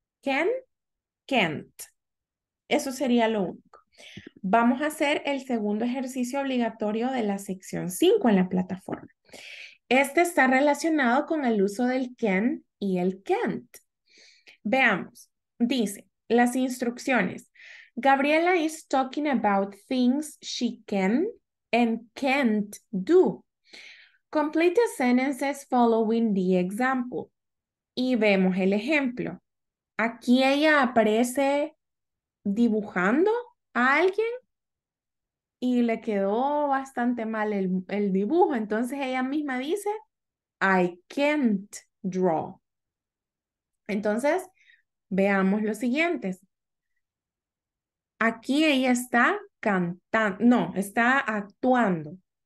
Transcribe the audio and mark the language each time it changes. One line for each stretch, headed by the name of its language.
Spanish: Can, can't. Eso sería lo único. Vamos a hacer el segundo ejercicio obligatorio de la sección 5 en la plataforma. Este está relacionado con el uso del can y el can't. Veamos. Dice, las instrucciones.
English: Gabriela is talking about things she can and can't do. Complete sentences following the example.
Spanish: Y vemos el ejemplo. Aquí ella aparece dibujando a alguien y le quedó bastante mal el dibujo. Entonces ella misma dice,
English: I can't draw.
Spanish: Entonces, veamos los siguientes. Aquí ella está cantando, no, está actuando.